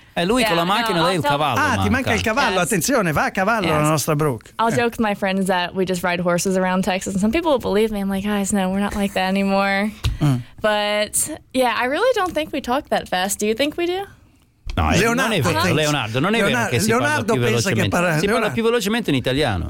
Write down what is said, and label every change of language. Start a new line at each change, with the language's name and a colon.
Italian: E lui con la macchina, lei il cavallo. Ti manca il cavallo, attenzione, va a cavallo la nostra Brooke.
English: I'll joke with my friends that we just ride horses around Texas, and some people will believe me. I'm like, guys, no, we're not like that anymore. But yeah, I really don't think we talk that fast. Do you think we do?
Italian: No, Leonardo pensa che si parla più velocemente in italiano.